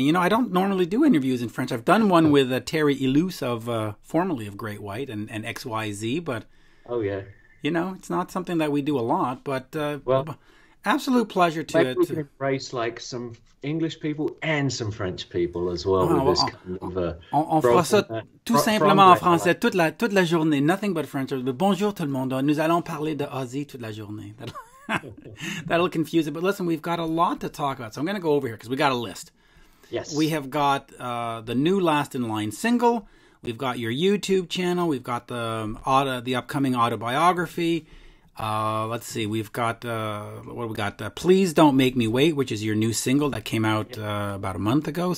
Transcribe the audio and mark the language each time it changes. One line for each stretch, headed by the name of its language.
English: You know, I don't normally do interviews in French. I've done one with Terry Illouz of, formerly of Great White and XYZ, but, oh yeah, you know, it's not something that we do a lot, but well, absolute pleasure to it. We can embrace like some English people and some French people as well with this kind of a...
French: On fera ça tout simplement en français toute la journée,
English: nothing but French.
French: But bonjour tout le monde, nous allons parler de Ozzy toute la journée.
English: That'll confuse it, but listen, we've got a lot to talk about, so I'm going to go over here because we got a list. Yes. We have got the new Last in Line single, we've got your YouTube channel, we've got the upcoming autobiography, let's see, we've got, what we got, Please Don't Make Me Wait, which is your new single that came out about a month ago.